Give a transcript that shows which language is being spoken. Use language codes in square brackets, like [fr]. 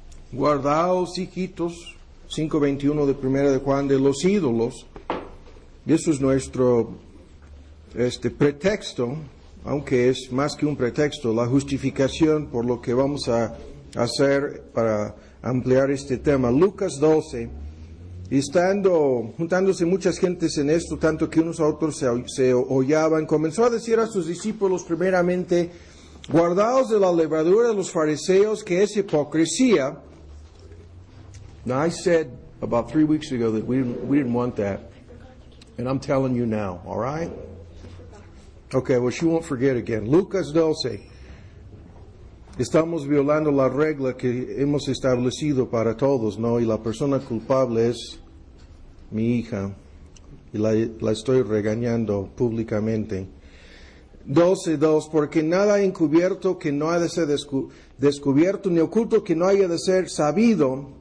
[es] guardaos hijitos, 5:21 de primera de Juan, de los ídolos, y eso es nuestro pretexto, aunque es más que un pretexto, la justificación por lo que vamos a hacer para ampliar este tema. Lucas 12, estando, juntándose muchas gentes en esto, tanto que unos a otros se hollaban, comenzó a decir a sus discípulos primeramente: guardaos de la levadura de los fariseos, que es hipocresía. [en] Now, I said about 3 weeks ago that we didn't want that, and I'm telling you now, all right? Okay, well, she won't forget again. [es] Lucas 12. Estamos violando la regla que hemos establecido para todos, ¿no? Y la persona culpable es mi hija. Y la estoy regañando públicamente. 12:2. Porque nada hay encubierto que no haya de ser descubierto, ni oculto que no haya de ser sabido.